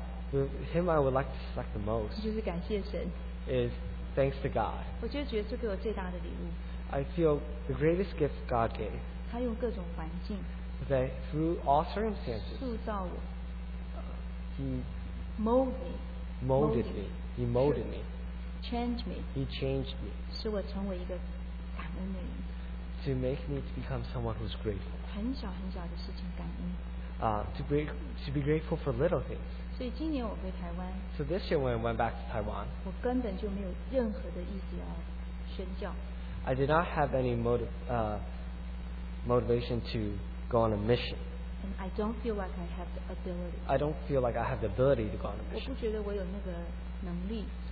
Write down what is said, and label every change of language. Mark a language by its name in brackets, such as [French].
[English] The hymn I would like to select the most. [Chinese] 就是感谢神。 [English] Is thanks to God. [Chinese] 我觉得主耶稣给我最大的礼物。 [English] I feel the greatest gift God gave. [Chinese] 他用各种环境。 [English] That through all circumstances. [Chinese] 塑造我。 [English] He molded me. He molded me. Change me, he changed me. [Chinese] 使我成为一个感恩的人。 [English] To make me to become someone who's grateful. [Chinese] 很小很小的事情感恩。 [English] To be grateful for little things. [Chinese] 所以今年我回台湾。 [English] So this year when I went back to Taiwan. [Chinese] 我根本就没有任何的意思要宣教。 [English] I did not have any motivation to go on a mission. And I don't feel like I have the ability. I don't feel like I have the ability to go on a mission. [Chinese] 我不觉得我有那个能力。